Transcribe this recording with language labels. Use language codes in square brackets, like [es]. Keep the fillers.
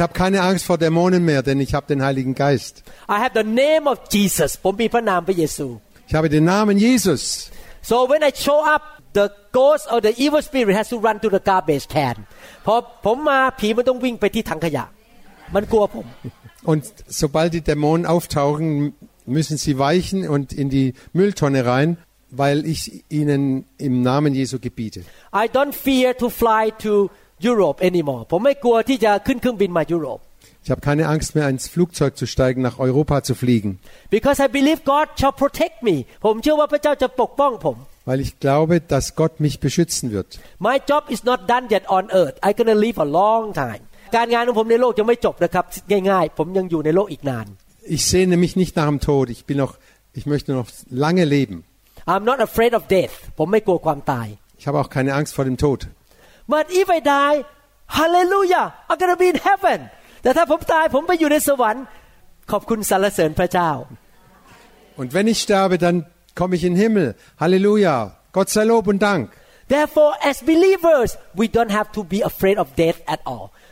[de] habe keine Angst vor Dämonen mehr, denn ich habe den Heiligen Geist. [en] I have the name of Jesus. [th] ผมมีพระนามพระเยซู [de] ich habe den Namen Jesus. [en] So when I show up, the ghost or the evil spirit has to run to the garbage can. [th] พอผมมาผีมันต้องวิ่งไปที่ถังขยะ มันกลัวผม [de] Und sobald die Dämonen auftauchen, müssen sie weichen und in die Mülltonne rein, weil ich ihnen im Namen Jesu gebiete. [en] I don't fear to fly to Europe anymore. [th] ผมไม่กลัวที่จะขึ้นเครื่องบินมายุโรป [de] ich habe keine Angst mehr ins Flugzeug zu steigen nach Europa zu fliegen. [en] Because I believe God shall protect me. [th] ผมเชื่อว่าพระเจ้าจะปกป้องผม [de] Weil ich glaube, dass Gott mich beschützen wird. [en] My job is not done yet on earth. I'm going to live a long time. [th] การงานของผมในโลกยังไม่จบนะครับ ง่ายๆ ผมยังอยู่ในโลกอีกนาน [de] Ich sehne mich nicht nach dem Tod. Ich bin noch ich möchte noch lange leben. [en] I'm not afraid of death. [th] ผมไม่กลัวความตาย [de] Ich habe auch keine Angst vor dem Tod. [en] But if I die, hallelujah, I'm going to be in heaven. [th] แต่ถ้าผมตายผมไปอยู่ในสวรรค์ขอบคุณสรรเ สริญพระเจ้า [de] Und wenn ich sterbe, dann komme ich in den Himmel. Halleluja. Gott sei Lob und Dank. [en] Therefore, as believers, we don't have to be afraid of death at all.